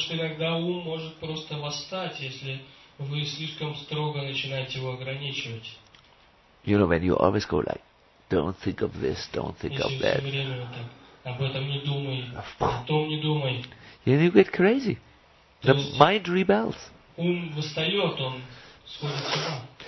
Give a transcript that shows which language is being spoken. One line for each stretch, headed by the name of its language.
Russian: Потому что иногда ум может просто восстать, если вы слишком строго начинаете его ограничивать.
English: You know, when you always go like, don't think of this, don't think of that.
Russian: Если все время вот так, об этом не думай, о том не думай.
English: Then you get crazy. The mind rebels.
Russian: Ум восстает, он сходит с ума.